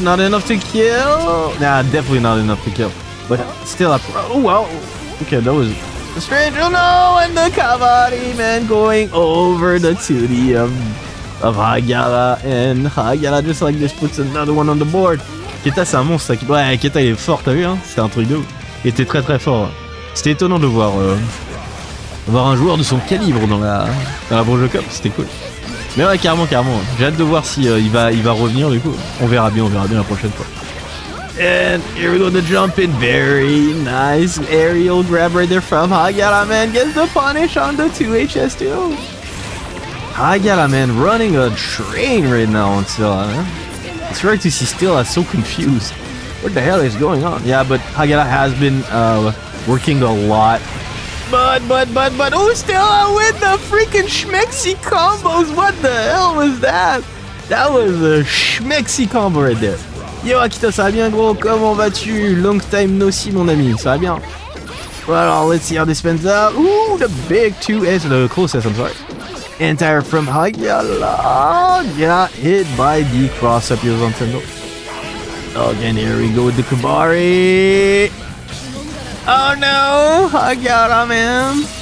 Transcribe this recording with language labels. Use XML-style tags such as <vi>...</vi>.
<en>Not enough to kill. Nah, definitely not enough to kill. But still up. Oh, wow. Okay, that was The stranger, oh no, and the Kabaddi man going over the 2D of Hagyaara, and Hagyaara just like this puts another one on the board.</en> <fr>Keta, c'est un monstre. Ouais, Keta, il est fort, t'as vu, hein? C'était un truc de ouf. Il était très très fort. C'était étonnant de voir un joueur de son calibre dans la Brojo Cup, c'était cool. Mais ouais, carrément. J'ai hâte de voir si il va revenir, du coup. On verra bien la prochaine fois.</fr> <en>And here we go, the jump in. Very nice aerial grab right there from Hagyaara, man. Gets the punish on the 2HS2. Hagyaara, man, running a train right now on Sutera. It's rare to see Sutera so confused. What the hell is going on? Yeah, but Hagyaara has been working a lot. But, oh, Sutera with the freaking schmexy combos. What the hell was that? That was a schmexy combo right there.</en> <fr>Yo Akita, ça va bien gros, comment vas-tu?</fr> <en>Long time no see</en> <fr>mon ami, ça va bien.</fr> <en>Well, let's see how this pans out. Ooh, the big 2S, the closest, I'm sorry. Entire from Hagyaara. Got hit by the cross up here on Sendo. Again, here we go with the Kabaddi. Oh no, Hagyaara, man.</en>